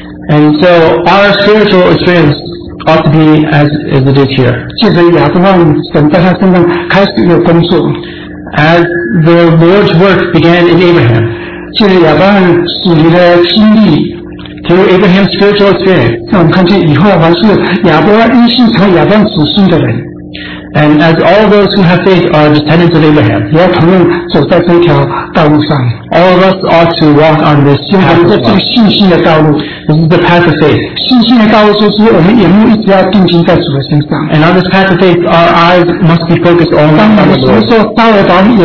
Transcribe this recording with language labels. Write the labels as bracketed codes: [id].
[en] And so our spiritual experience ought to be as it is here. [zh] 借着亚伯拉罕，神在他身上开始一个工作。 [en] As the Lord's work began in Abraham. [zh] 借着亚伯拉罕属灵的经历。 [en] Through Abraham's spiritual experience. [zh] 让我们看见以后还是亚伯拉罕因信成亚伯拉罕子孙的人。 [en] And as all those who have faith are descendants of Abraham, [zh] 也要同样走在这条道路上, [en] all of us ought to walk on this path of faith. This is the path of faith. [zh] 信心的道路就是我们眼目一直要定睛在主的身上。 [en] And on this path of faith, our eyes must be focused on the Lord.